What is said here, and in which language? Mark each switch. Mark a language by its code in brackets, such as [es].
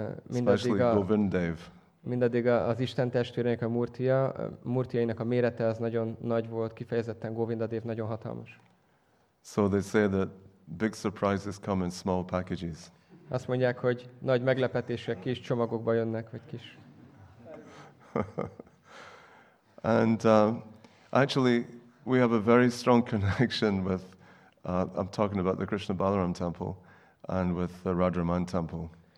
[en] Especially Govindadev. [hu] Mindaddig az Isten testvéreinek a murtiainak a mérete az nagyon nagy volt, kifejezetten Govindadev nagyon hatalmas. [en] So they say that big surprises come in small packages. [hu] Azt mondják, hogy nagy meglepetések kis csomagokba jönnek, vagy kis. [en] And actually we have a very strong connection with I'm talking about the Krishna Balaram temple and with the Radharaman temple.